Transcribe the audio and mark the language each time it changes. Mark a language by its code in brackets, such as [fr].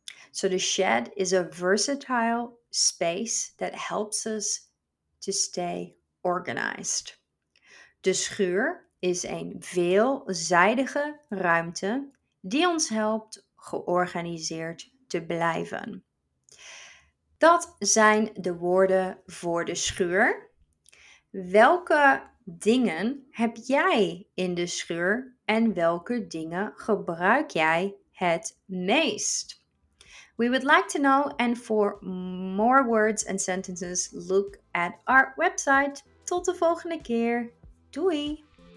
[en] So the shed is a versatile space that helps us to stay organized. [nl] De schuur is een veelzijdige ruimte die ons helpt georganiseerd te blijven. Dat zijn de woorden voor de schuur. Welke dingen heb jij in de schuur en welke dingen gebruik jij het meest? [en] We would like to know, and for more words and sentences, look at our website. [nl] Tot de volgende keer. Doei!